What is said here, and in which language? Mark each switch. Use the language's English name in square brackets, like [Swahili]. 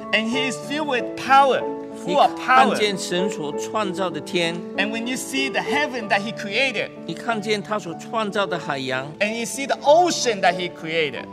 [English] And he is filled with power, full of power. [Chinese] 你看见神所创造的天。 [English] And when you see the heaven that he created, [Chinese] 你看见他所创造的海洋。 [English] And you see the ocean that he created,